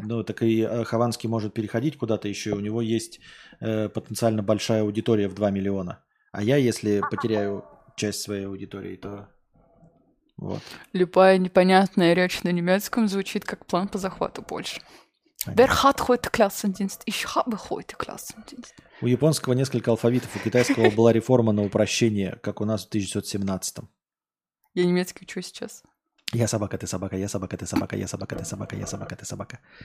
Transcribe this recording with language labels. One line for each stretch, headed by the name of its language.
Russian: Ну, так и Хованский может переходить куда-то еще, у него есть потенциально большая аудитория в 2 миллиона. А я, если потеряю часть своей аудитории, то вот. Любая непонятная речь на немецком звучит как план по захвату Польши.
German: Wer hat heute Klassendienst? Ich habe heute Klassendienst.
Russian: У японского несколько алфавитов, у китайского была реформа на упрощение, как у нас в 1917-м. Я немецкий учу сейчас. Я собака, ты собака, я собака, ты собака, я собака, ты собака, я собака, ты собака.